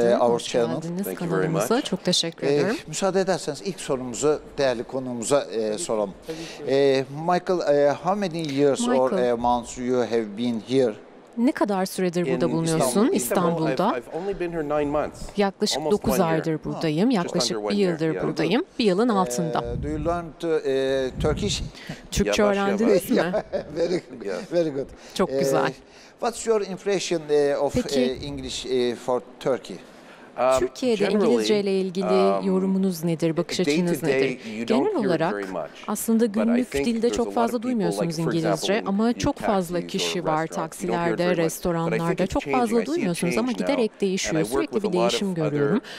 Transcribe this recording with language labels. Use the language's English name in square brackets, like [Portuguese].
[Turkish] Günaydın, hoş geldiniz kanalımıza. Çok teşekkür ederim. Müsaade ederseniz ilk sorumuzu değerli konuğumuza soralım. [English] Michael, how many years or months you have been here? [Turkish] Ne kadar süredir burada bulunuyorsun İstanbul'da? Yaklaşık 9 aydır buradayım. Yaklaşık bir yıldır buradayım. Bir yılın altında. [English] Do you learn to, Turkish? [Turkish] Türkçe öğrendiniz mi? [English] Very good. Very good. [Turkish] Çok güzel. [English] What's your impression of English for Turkey? [Turkish] Türkiye'de İngilizce ile ilgili yorumunuz nedir, bakış açınız nedir? Genel olarak aslında günlük dilde çok fazla duymuyorsunuz İngilizce ama çok fazla kişi var taksilerde, restoranlarda. Çok fazla duymuyorsunuz ama giderek değişiyor. Sürekli bir değişim görüyorum.